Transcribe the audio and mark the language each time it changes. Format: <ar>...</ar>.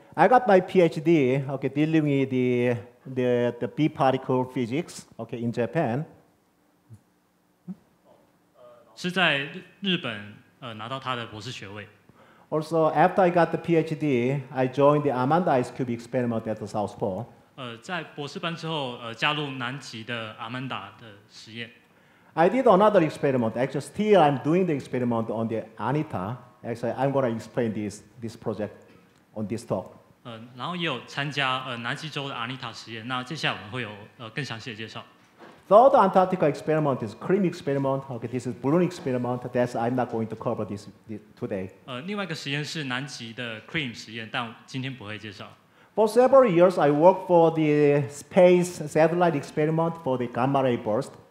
<en>I got my PhD, okay, dealing with the B particle physics, okay, in Japan.</en> <zh>是在日本拿到他的博士学位。</zh> <en>Also, after I got the PhD, I joined the Amanda Icecube experiment at the South Pole.</en> <zh>在博士班之后，加入南极的 Amanda 的实验。</zh> <en>I did another experiment. Actually, still I'm doing the experiment on the ANITA. Actually, I'm going to explain this project on this talk.</en> <zh>然后也有参加南极洲的 ANITA 实验，那接下来我们会有更详细的介绍。</zh> <en>Third Antarctica experiment is cream experiment. Okay, this is balloon experiment. That's I'm not going to cover this today.</en> <zh>另外一个实验是南极的 cream 实验，但今天不会介绍。</zh> <en>For several years, I worked for the space satellite experiment for the gamma ray burst.</en>